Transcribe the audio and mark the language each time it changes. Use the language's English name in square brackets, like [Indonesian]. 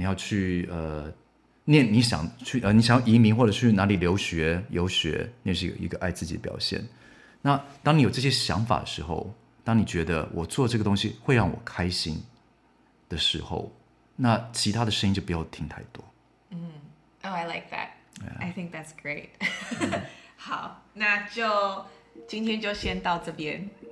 [Chinese] 你要去念你想去你想要移民或者去哪里留学游学，那是一个爱自己的表现。那当你有这些想法的时候，当你觉得我做这个东西会让我开心的时候，那其他的声音就不要听太多。 [English] 嗯、oh, I like that.、Yeah. I think that's great. [Chinese] 好，那就今天就先到这边。